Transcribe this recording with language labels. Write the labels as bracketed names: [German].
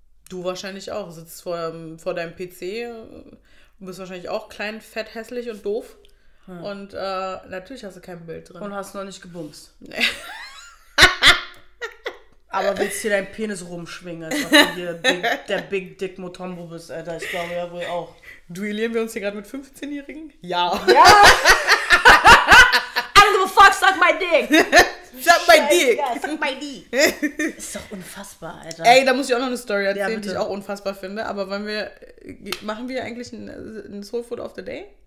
[German] Du wahrscheinlich auch. Sitzt vor deinem PC und bist wahrscheinlich auch klein, fett, hässlich und doof. Hm. Und natürlich hast du kein Bild drin. Und hast noch nicht gebumst. Nee. Aber willst du hier deinen Penis rumschwingen, als ob du hier der Big Dick Motombo bist, Alter? Ich glaube ja wohl auch. Duellieren wir uns hier gerade mit 15-Jährigen? Ja. [English] Ja! I don't give a fuck, suck my dick! Suck my dick! Suck my dick! [German] Ist doch unfassbar, Alter. Ey, da muss ich auch noch eine Story erzählen, die ich auch unfassbar finde. Aber wollen wir. Machen wir eigentlich ein Soul Food of the Day?